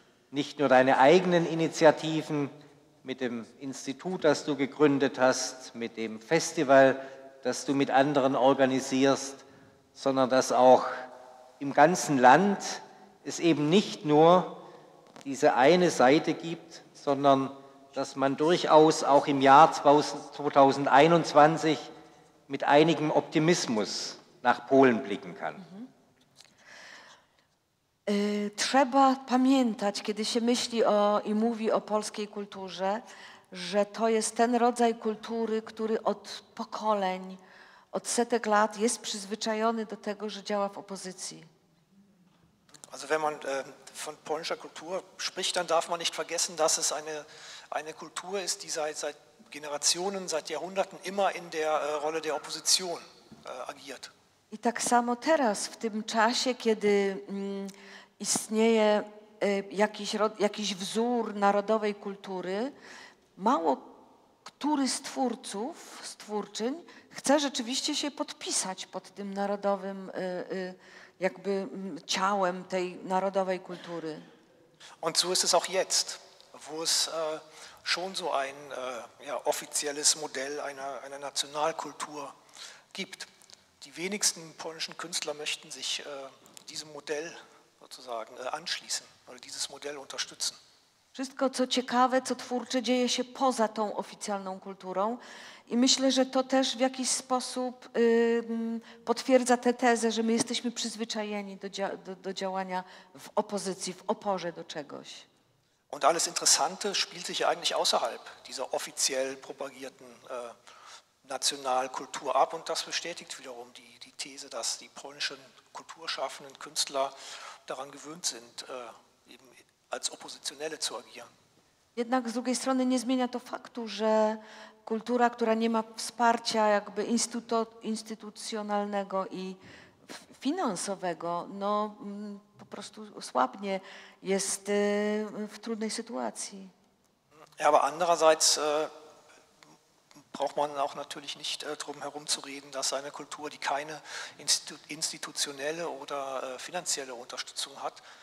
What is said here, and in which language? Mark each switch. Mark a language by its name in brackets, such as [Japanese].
[German] Nicht nur deine eigenen Initiativen mit dem Institut, das du gegründet hast, mit dem Festival, das du mit anderen organisierst, sondern dass auch im ganzen Land es eben nicht nur diese eine Seite gibt, sondern dass man durchaus auch im Jahr 2021 mit einigem Optimismus nach Polen blicken kann. [Polish] Trzeba pamiętać, kiedy się myśli o i mówi o polskiej kulturze, że to jest ten rodzaj kultury, który od pokoleń, od setek lat jest przyzwyczajony do tego, że działa w opozycji. [German] Also wenn man von polnischer Kultur spricht, dann darf man nicht vergessen, dass es eine Kultur ist, die seit Generationen, seit Jahrhunderten immer in der Rolle der Opposition agiert. [Polish] I tak samo teraz, w tym czasie, kiedy istnieje jakiś wzór narodowej kultury, mało który z twórców, z twórczyń chce rzeczywiście się podpisać pod tym narodowym jakby ciałem tej narodowej kultury. [German] Und so ist es auch jetzt, wo es schon so ein offizielles Modell einer Nationalkultur gibt. Die wenigsten polnischen Künstler möchten sich diesem Modell sozusagen anschließen oder dieses Modell unterstützen. [Polish] Wszystko co ciekawe, co twórcze dzieje się poza tą oficjalną kulturą i myślę, że to też w jakiś sposób potwierdza tę tezę, że my jesteśmy przyzwyczajeni do działania w opozycji, w oporze do czegoś. [German] Und alles Interessante spielt sich eigentlich außerhalb dieser offiziell propagierten Nationalkultur ab und das bestätigt wiederum die These, dass die polnischen kulturschaffenden Künstler daran gewöhnt sind, eben als Oppositionelle zu agieren. [Polish] Jednak z drugiej strony nie zmienia to faktu, że kultura, która nie ma wsparcia jakby instytucjonalnego i finansowego, no po prostu słabnie, jest w trudnej sytuacji. [German] Ja, aber andererseits braucht man auch natürlich nicht drum herum zu reden, dass eine Kultur, die keine institutionelle oder finanzielle Unterstützung hat,